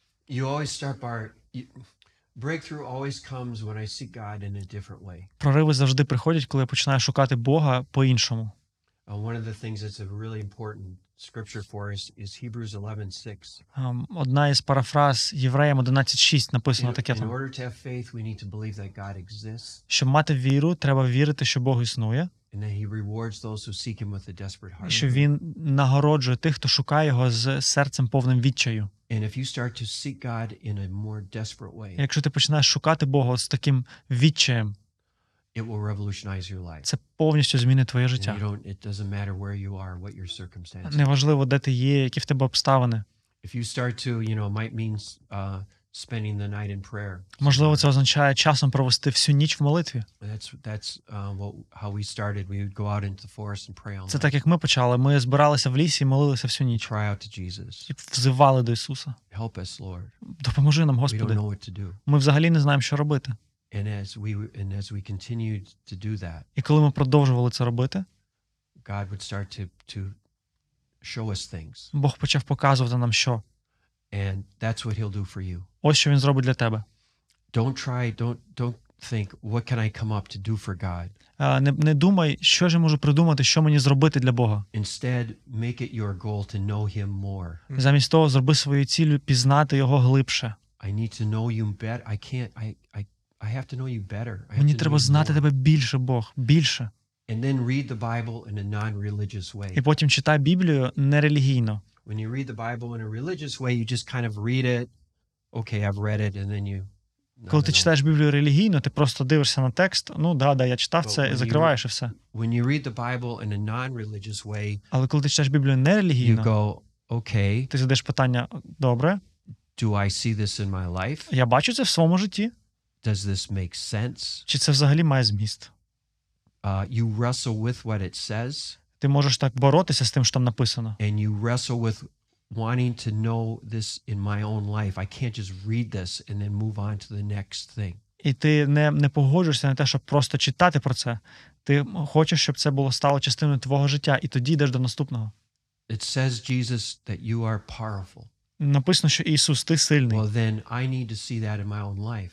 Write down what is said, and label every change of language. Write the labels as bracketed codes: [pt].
[en] You always start by breakthrough always comes when I seek God in a different way. [uk] Прориви завжди приходять, коли я починаю шукати Бога по-іншому. [en] One of the things that's a really important scripture for us is Hebrews 11:6. [uk] Одна із парафраз Євреям 11:6 написано таке там. [en] In order to have faith, we need to believe that God exists. [uk] Щоб мати віру, треба вірити, що Бог існує. [en] And that he rewards those who seek him with a desperate heart. [uk] І що він нагороджує тих, хто шукає його з серцем повним відчаю. [en] And if you start to seek God in a more desperate way. [uk] Якщо ти починаєш шукати Бога з таким відчаєм, [en] It will revolutionize your life. [uk] Це повністю змінить твоє життя. [en] It doesn't matter where you are, what your circumstances. [uk] Неважливо, де ти є, які в тебе обставини. [en] If you start to, you know, might mean spending the night in prayer. [uk] Можливо, це означає часом провести всю ніч в молитві. [en] That's how we started. We would go out into the forest and pray all night. [uk] Це так, як ми почали. Ми збиралися в лісі і молилися всю ніч. [en] Cry out to Jesus. [uk] І взивали до Ісуса. [en] Help us, Lord. [uk] Допоможи нам, Господи. [en] We don't know what to do. [uk] Ми взагалі не знаємо, що робити. [en] And as we continued to do that, [uk] і коли ми продовжували це робити, [en] God would start to show us things. [uk] Бог почав показувати нам що. [en] And that's what he'll do for you. [uk] Ось що він зробить для тебе. [en] Don't think, what can I come up to do for God? [uk] Не думай, що ж я можу придумати, що мені зробити для Бога. [en] Instead, make it your goal to know him more. [uk] Замість того, зроби свою ціллю пізнати його глибше. [en] I need to know you better. I can't, I have to know you better. [uk] Мені треба знати тебе більше, Бог, більше. [en] And then read the Bible in a non-religious way. [uk] І потім читай Біблію нерелігійно. [en] When you read the Bible in a religious way, you just kind of read it. Okay, I've read it, and then you... [uk] Коли ти читаєш Біблію релігійно, ти просто дивишся на текст, ну, да, я читав це, і закриваєш і все. [en] When you read the Bible in a non-religious way, [uk] але коли ти читаєш Біблію нерелігійно, [en] you go, okay, [uk] ти задаєш питання, добре, [en] do I see this in my life? [uk] Я бачу це в своєму житті. [en] Does this make sense? [uk] Чи це взагалі має зміст? [en] You wrestle with what it says. [uk] Ти можеш так боротися з тим, що там написано. [en] And you wrestle with wanting to know this in my own life. I can't just read this and then move on to the next thing. [uk] І ти не погоджуєшся на те, щоб просто читати про це. Ти хочеш, щоб це було стало частиною твого життя, і тоді йдеш до наступного. [en] It says, Jesus, that you are powerful. [uk] Написано, що Ісус, ти сильний. [en] Well, then I need to see that in my own life.